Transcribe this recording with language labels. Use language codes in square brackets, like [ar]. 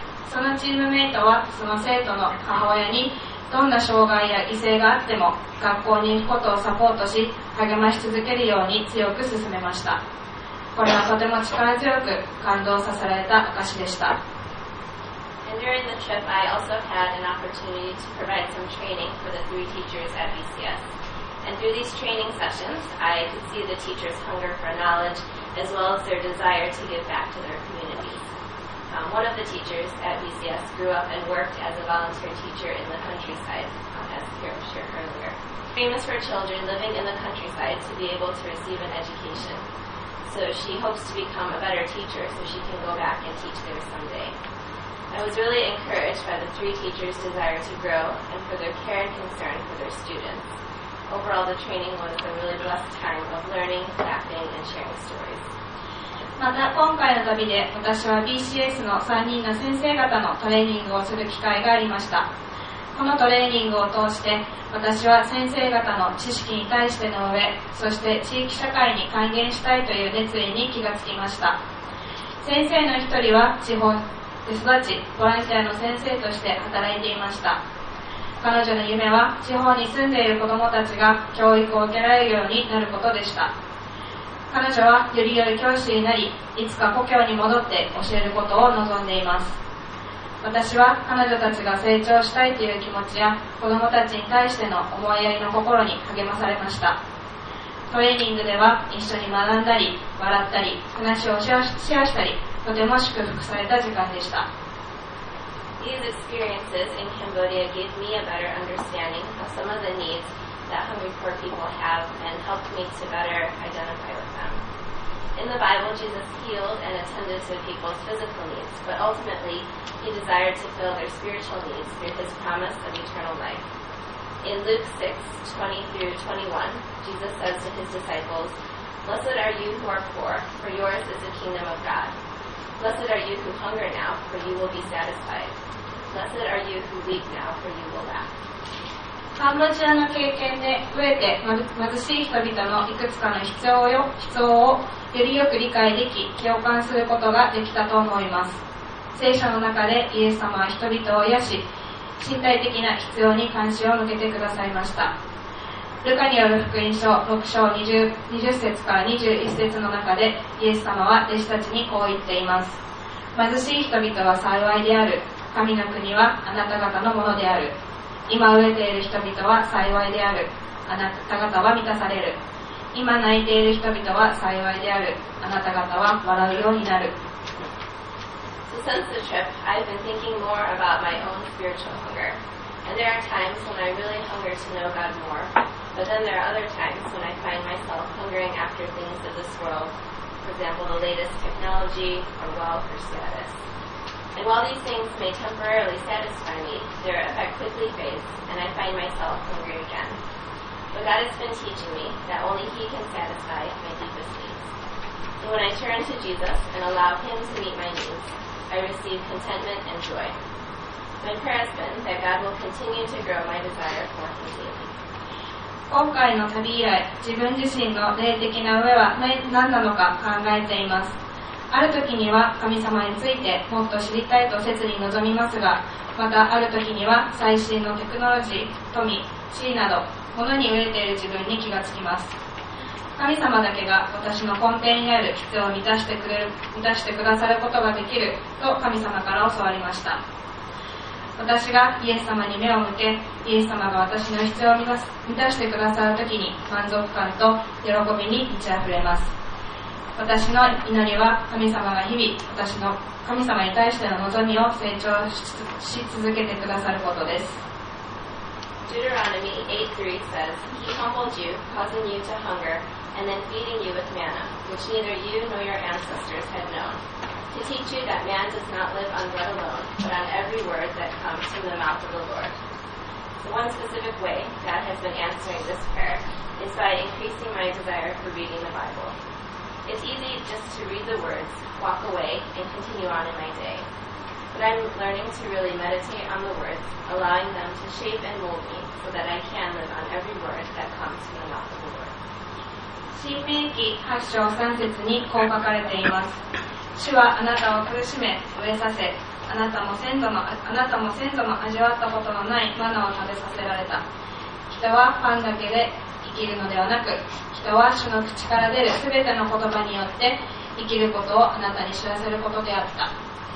[ja] そのチームメイトはその生徒の母親に、どんな障害や犠牲があっても学校に行くことをサポートし励まし続けるように強く勧めました。これはとても力強く感動させられた証でした。 [en] And during the trip, I also had an opportunity to provide some training for the three teachers at BCS. And through these training sessions, I could see the teachers' hunger for knowledge as well as their desire to give back to their communities. One of the teachers at BCS grew up and worked as a volunteer teacher in the countryside, as Kira shared earlier. Famous for children living in the countryside to be able to receive an education. so she hopes to become a better teacher so she can go back and teach there someday. I was really encouraged by the three teachers' desire to grow and for their care and concern for their students. Overall, the training was a really blessed time of learning, laughing, and sharing stories. [ja] また今回の旅で私は BCS の3人の先生方のトレーニングをする機会がありました。このトレーニングを通して私は先生方の知識に対しての上、そして地域社会に還元したいという熱意に気がつきました。先生の一人は地方で育ち、ボランティアの先生として働いていました。彼女の夢は地方に住んでいる子どもたちが教育を受けられるようになることでした。彼女はより良い教師になり、いつか故郷に戻って教えることを望んでいます。私は彼女たちが成長したいという気持ちや子どもたちに対しての思いやりの心に励まされました。トレーニングでは一緒に学んだり笑ったり話をシェアしたり、とても祝福された時間でした。 [en] These experiences in Cambodia gave me a better understanding of some of the needs that hungry poor people have and helped me to better identify with them. In the Bible, Jesus healed and attended to people's physical needs, but ultimately, he desired to fill their spiritual needs through his promise of eternal life. In Luke 6:20-21, Jesus says to his disciples, "Blessed are you who are poor, for yours is the kingdom of God. Blessed are you who hunger now, for you will be satisfied. Blessed are you who weep now, for you will laugh." [ja] カンボジアの経験で飢えて貧しい人々のいくつかの必要をよりよく理解でき、共感することができたと思います。聖書の中でイエス様は人々を癒し、身体的な必要に関心を向けてくださいました。ルカによる福音書6章20節から21節の中でイエス様は弟子たちにこう言っています。貧しい人々は幸いである。神の国はあなた方のものである。今飢えている人々は幸いである。あなた方は満たされる。今泣いている人々は幸いである。あなた方は笑うようになる。 [en] So since the trip, I've been thinking more about my own spiritual hunger. And there are times when I really hunger to know God more. But then there are other times when I find myself hungering after things of this world. For example, the latest technology or wealth or status. And while these things may temporarily satisfy me, their effect quickly fades, and I find myself hungry again. But God has been teaching me that only He can satisfy my deepest needs. And when I turn to Jesus and allow Him to meet my needs, I receive contentment and joy. My prayer has been that God will continue to grow my desire for Him daily. [ja] 今回の旅以来、自分自身の霊的な飢えは何なのか考えています。ある時には神様についてもっと知りたいと切に望みますが、またある時には最新のテクノロジー、富、地位など、物に飢えている自分に気がつきます。神様だけが私の根底にある必要を満たしてくださることができると神様から教わりました。私がイエス様に目を向け、イエス様が私の必要を満たしてくださる時に満足感と喜びに満ち溢れます。私の祈りは神様が日々私の神様に対しての望みを成長し続けてくださることです。 [en] Deuteronomy 8:3 says, He humbled you, causing you to hunger, and then feeding you with manna, which neither you nor your ancestors had known, to teach you that man does not live on bread alone, but on every word that comes from the mouth of the Lord. So one specific way God has been answering this prayer is by increasing my desire for reading the Bible. It's easy just to read the words, walk away, and continue on in my day. But I'm learning to really meditate on the words, allowing them to shape and mold me so that I can live on every word that comes from the mouth of the Lord. [ja] 新命記8章3節にこう書かれています。主はあなたを苦しめ、飢えさせ、あなたも先祖の味わったことのないマナを食べさせられた。人はパンだけで生きるのではなく、人は主の口から出るすべての言葉によって生きることをあなたに知らせることであった。